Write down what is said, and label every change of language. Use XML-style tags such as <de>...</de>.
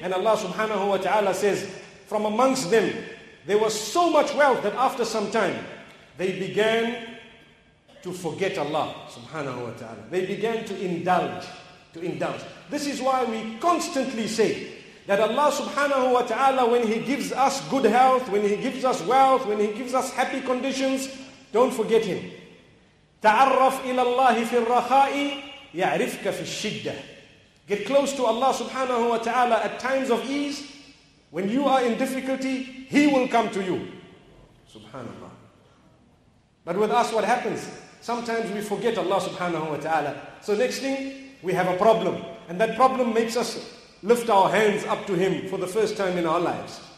<en>And Allah subhanahu wa ta'ala says, from amongst them, there was so much wealth that after some time, they began to forget Allah subhanahu wa ta'ala. They began to indulge, This is why we constantly say that Allah subhanahu wa ta'ala, when He gives us good health, when He gives us wealth, when He gives us happy conditions, don't forget Him.</en> <ar>تعرف إلى الله في الرخاء يعرفك في الشدة.</ar> <en>Get close to Allah subhanahu wa ta'ala at times of ease. When you are in difficulty, He will come to you. Subhanallah. But with us, what happens? Sometimes we forget Allah subhanahu wa ta'ala. So next thing, we have a problem. And that problem makes us lift our hands up to Him for the first time in our lives.</en>